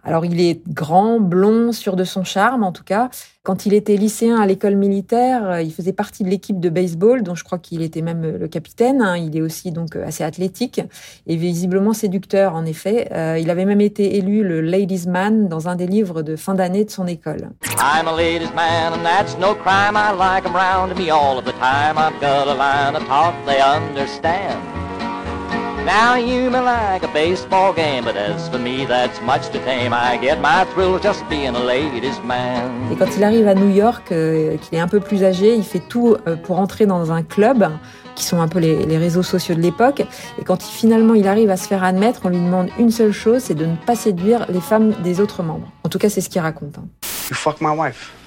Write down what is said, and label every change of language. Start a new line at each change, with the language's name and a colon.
French: Alors, il est grand, blond, sûr de son charme, en tout cas. Quand il était lycéen à l'école militaire, il faisait partie de l'équipe de baseball, dont je crois qu'il était même le capitaine. Il est aussi donc assez athlétique et visiblement séducteur, en effet. Il avait même été élu le ladies' man dans un des livres de fin d'année de son école.
English: I'm a ladies' man and that's no crime. I like them round me all of the time. I've got a line of talk they understand. Now you may like a baseball game, but as for me, that's much to tame. I get my thrill just being a ladies' man.
French: Et quand il arrive à New York, qu'il est un peu plus âgé, il fait tout pour entrer dans un club, qui sont un peu les réseaux sociaux de l'époque. Et quand il arrive à se faire admettre, on lui demande une seule chose, c'est de ne pas séduire les femmes des autres membres. En tout cas, c'est ce qu'il raconte.
English: You fuck my wife.